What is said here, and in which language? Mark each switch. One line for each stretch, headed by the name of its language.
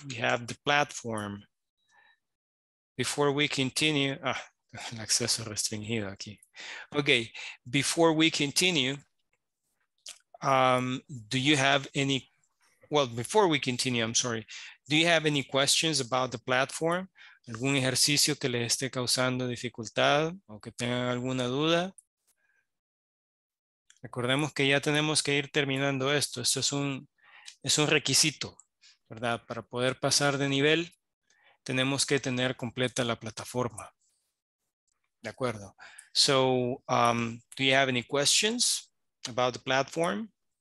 English: We have the platform. Before we continue,
Spanish: acceso restringido aquí.
English: Okay, before we continue, do you have any, well, before we continue, I'm sorry, do you have any questions about the platform?
Spanish: ¿Algún ejercicio que les esté causando dificultad o que tengan alguna duda? Recordemos que ya tenemos que ir terminando esto. Esto es un requisito, ¿verdad? Para poder pasar de nivel, tenemos que tener completa la plataforma. De acuerdo.
English: So, do you have any questions about the platform?